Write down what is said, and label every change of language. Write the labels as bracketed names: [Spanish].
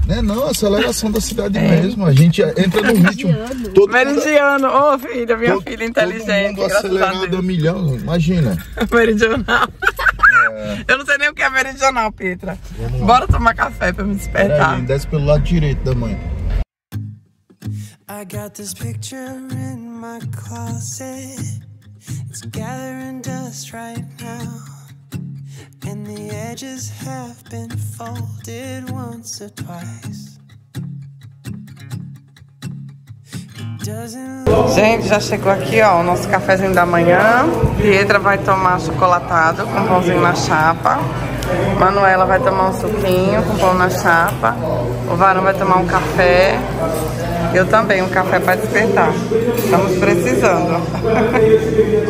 [Portuguese] É, não, aceleração da cidade mesmo. A gente entra no ritmo. Todo meridiano. Ô, mundo... filha, minha filha inteligente. Todo mundo acelerado a milhão, imagina. Meridional. Eu não sei nem o que é meridional, Petra. Bora tomar café pra me despertar. Aí, desce pelo lado direito da mãe. [English] I got this picture in my closet. It's gathering dust right now. And the edges have been folded once or twice. [Portuguese] Gente, já chegou aqui, ó, o nosso cafezinho da manhã. Pietra vai tomar chocolatado com pãozinho na chapa. Manuela vai tomar um suquinho com pão na chapa. O Varão vai tomar um café. Eu também, um café para despertar. Estamos precisando.